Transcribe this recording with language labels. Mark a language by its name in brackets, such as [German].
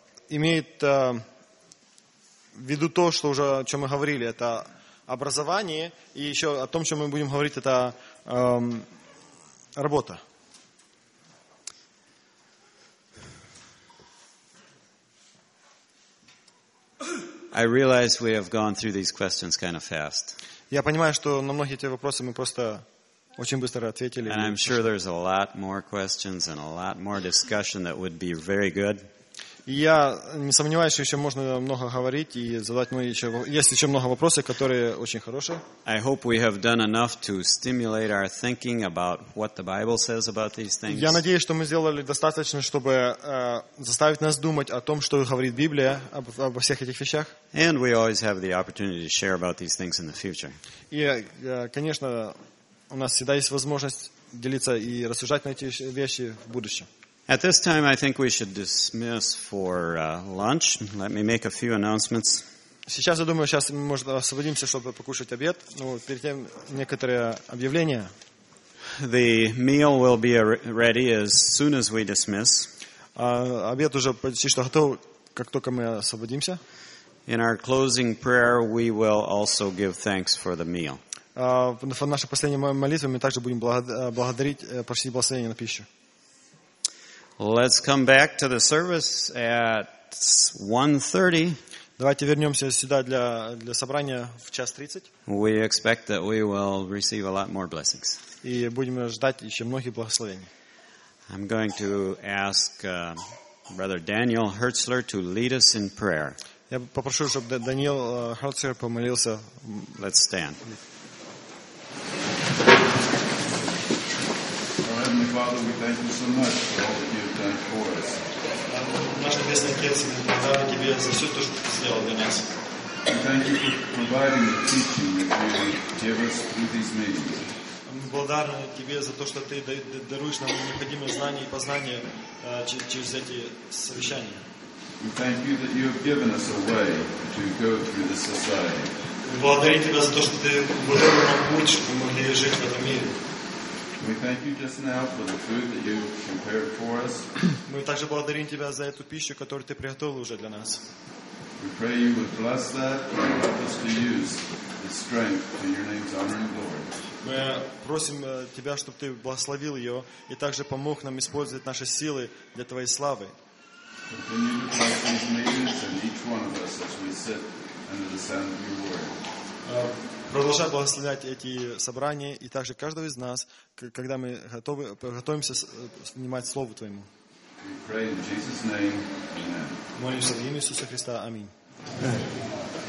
[Russian] Имеет в виду то, что уже о чем мы говорили, это образование, и еще о том, что мы будем говорить, это работа. [English] I realize we have gone through these questions kind of fast. [Russian] Я понимаю, что на многие эти вопросы мы просто очень быстро ответили. [English] And I'm sure there's a lot more questions and a lot more discussion that would be very good. [Russian] Я не сомневаюсь, что еще можно много говорить и задать мне еще есть еще много вопросов, которые очень хорошие. [English] I hope we have done enough to stimulate our thinking about what the Bible says about these things. [Russian] Я надеюсь, что мы сделали достаточно, чтобы заставить нас думать о том, что говорит Библия обо всех этих вещах. [English] And we always have the opportunity to share about these things in the future. [Russian] И, конечно, у нас всегда есть возможность делиться и рассуждать на эти вещи в будущем. [English] At this time, I think we should dismiss for lunch. Let me make a few announcements. [Russian] Сейчас я думаю, сейчас мы можем освободимся, чтобы покушать обед. Но перед тем некоторые объявления. [English] The meal will be ready as soon as we dismiss. [Russian] Обед уже почти что готов, как только мы освободимся. [English] In our closing prayer, we will also give thanks for the meal. [Russian] В нашей последней молитве мы также будем благодарить, просить благословения на пищу. [English] Let's come back to the service at 1:30. [Russian] Давайте вернемся сюда для собрания в 1:30. [English] We expect that we will receive a lot more blessings. [Russian] И будем ждать еще многих благословений. [English] I'm going to ask Brother Daniel Hertzler to lead us in prayer. [Russian] Я попрошу, чтобы Даниил Херцлер помолился. [English] Let's stand. Father, we thank you so much for all that you have done for us. Thank you for providing the teaching that you give us through these meetings. [Russian] Мы благодарны тебе за то, что ты даруешь нам необходимые знания и познания через эти совещания. [English] We thank you that you have given us a way to go through the society. [Russian] Мы благодарим тебя за то, что ты выбрал нам путь, чтобы мы могли жить в этом мире. [English] We thank you just now for the food that you prepared for us. [Russian] Мы также благодарим тебя за эту пищу, которую ты приготовил уже для нас. [English] We pray you would bless that and help us to use the strength in your name's honor and glory. [Russian] Мы просим тебя, чтобы ты благословил ее и также помог нам использовать наши силы для твоей славы. [English] Continue to bless these meetings and each one of us as we sit under the sound of your word. [Russian] Продолжай благословлять эти собрания и также каждого из нас, когда мы готовимся внимать Слову Твоему. [English] We pray in Jesus' name. [Russian] Молимся в имя Иисуса Христа. Аминь.